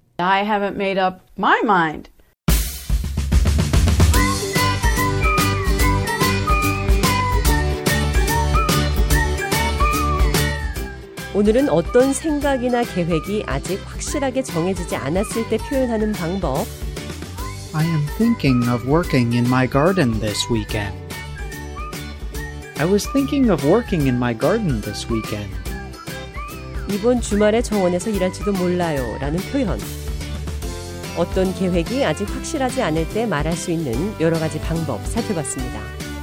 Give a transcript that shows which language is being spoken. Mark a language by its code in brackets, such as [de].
[en] I haven't made up my mind. [ko] 오늘은 어떤 생각이나 계획이 아직 확실하게 정해지지 않았을 때 표현하는 방법. [en] I am thinking of working in my garden this weekend. I was thinking of working in my garden this weekend. [ko] 이번 주말에 정원에서 일할지도 몰라요 라는 표현. 어떤 계획이 아직 확실하지 않을 때 말할 수 있는 여러 가지 방법 살펴봤습니다.